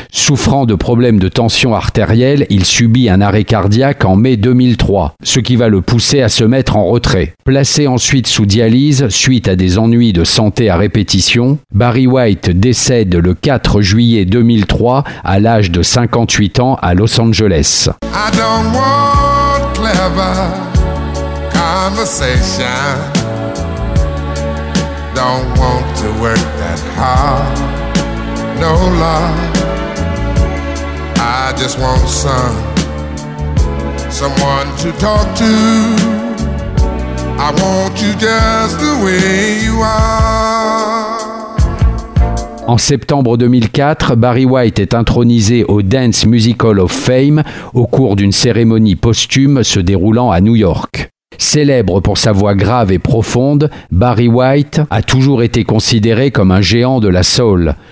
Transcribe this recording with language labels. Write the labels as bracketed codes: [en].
[fr] Souffrant de problèmes de tension artérielle, il subit un arrêt cardiaque en mai 2003, ce qui va le pousser à se mettre en retrait. Placé ensuite sous dialyse suite à des ennuis de santé à répétition, Barry White décède le 4 juillet 2003 à l'âge de 58 ans à Los Angeles. [en] I don't want clever conversation. Don't want to work that hard, no love. I just want someone to talk to. I want you just the way you are. [fr] En septembre 2004, Barry White est intronisé au Dance Music Hall of Fame au cours d'une cérémonie posthume se déroulant à New York. Célèbre pour sa voix grave et profonde, Barry White a toujours été considéré comme un géant de la soul.